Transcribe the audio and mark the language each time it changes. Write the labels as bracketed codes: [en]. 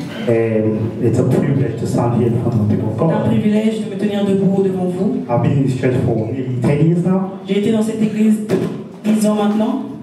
[en] And it's a privilege to stand here in front of the people of God. [fr] C'est un privilège de me tenir debout devant vous. [en] I've been in this church for nearly 10 years now. [fr] J'ai été dans cette église 10 ans maintenant.